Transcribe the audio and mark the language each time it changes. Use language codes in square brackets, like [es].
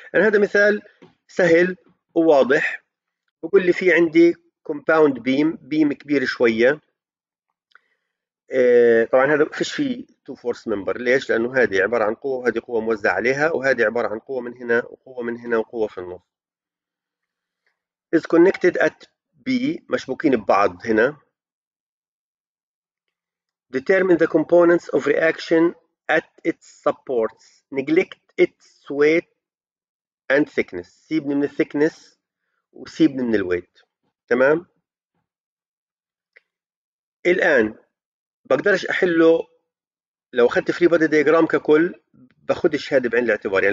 [ar] انا هذا مثال سهل وواضح، بقول لي في عندي كومباوند بيم، بيم كبير شويه، طبعا هذا فيش فيه تو فورس ممبر، ليش؟ لانه هذه عباره عن قوه وهذه قوه موزعه عليها، وهذه عباره عن قوه من هنا وقوه من هنا وقوه في النص. [en] is connected at B، [ar] مشبوكين ببعض هنا. [en] determine the components of reaction at its supports، neglect its weight and thickness، [ar] سيبني من الثيكنس وسيبني من الويت، تمام؟ الان بقدرش احله لو اخذت فري بودي دياجرام ككل، باخدش هذا بعين الاعتبار.